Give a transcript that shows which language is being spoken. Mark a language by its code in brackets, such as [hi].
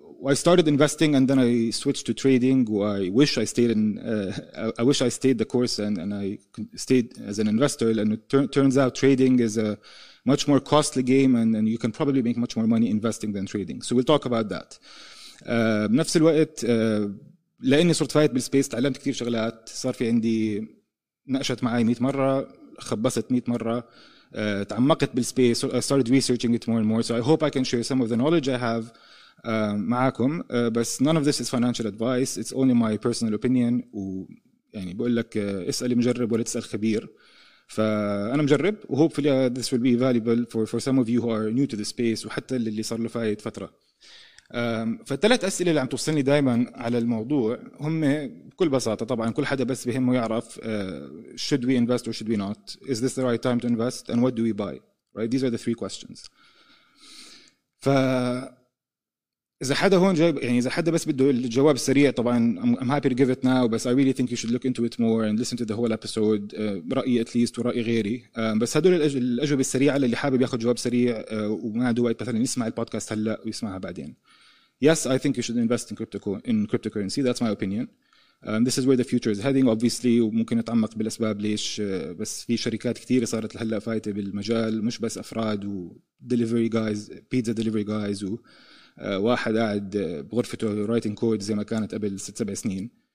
[en] I started investing and then I switched to trading. I wish I stayed the course and I stayed as an investor. And it turns out trading is a much more costly game and you can probably make much more money investing than trading. So we'll talk about that. [ar] بنفس الوقت لاني صرت فايت بالسبيس تعلمت كثير شغلات، صار في عندي نقشت معي 100 مره، خبصت 100 مره، تعمقت بالسبيس. [en] I started researching it more and more, so I hope I can share some of the knowledge I have [ar] معكم. بس [en] none of this is financial advice, it's only my personal opinion. [ar] ويعني بقول لك اسال مجرب ولا تسال خبير، فانا مجرب و [en] hopefully this will be valuable for some of you who are new to the space [ar] وحتى اللي صار له فايت فتره. فالثلاث أسئلة اللي عم توصلني دائما على الموضوع هم بكل بساطة، طبعا كل حدا بس بهمه يعرف [en] should we invest or should we not, is this the right time to invest and what do we buy, right? These are the three questions. [ar] فإذا حدا هون جاي يعني إذا حدا بس بده الجواب السريع، طبعا [en] I'm happy to give it now but I really think you should look into it more and listen to the whole episode, [ar] رأيي [en] at least [ar] ورأي غيري. بس هدول الأجوبة السريعة للي حابب ياخد جواب سريع وما عنده وقت مثلا يسمع البودكاست هلأ ويسمعها بعدين. [en] Yes, I think you should invest in cryptocurrency. That's my opinion. This is where the future is heading, obviously. [ar] وممكن نتعمق بالأسباب ليش، بس في شركات كتير صارت لهلأ فايتة بالمجال، مش بس أفراد و [en] delivery guys, pizza delivery guys [ar] وواحد قاعد بغرفته [en] writing code [ar] زي ما كانت قبل 6-7 سنين.